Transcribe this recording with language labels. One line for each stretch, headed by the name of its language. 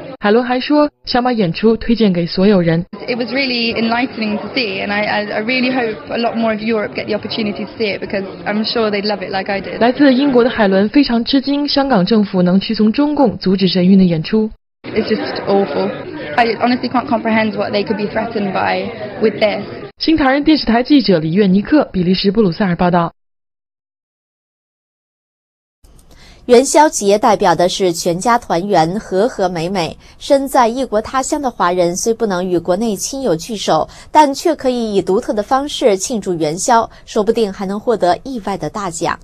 Chinese: 海伦还说，想把演出推荐给所有人。
English: It was really enlightening to see, and I really hope a lot more of Europe get the opportunity to see it because I'm sure they'd love it like I did.
Chinese: 来自英国的海伦非常吃惊，香港政府能屈从中共阻止神韵的演出。
English: It's just awful. I honestly can't comprehend what they could be threatened by with this.
Chinese: 新唐人电视台记者李月尼克，比利时布鲁塞尔报道。元宵节代表的是全家团圆，和和美美。身在异国他乡的华人虽不能与国内亲友聚首，但却可以以独特的方式庆祝元宵，说不定还能获得意外的大奖。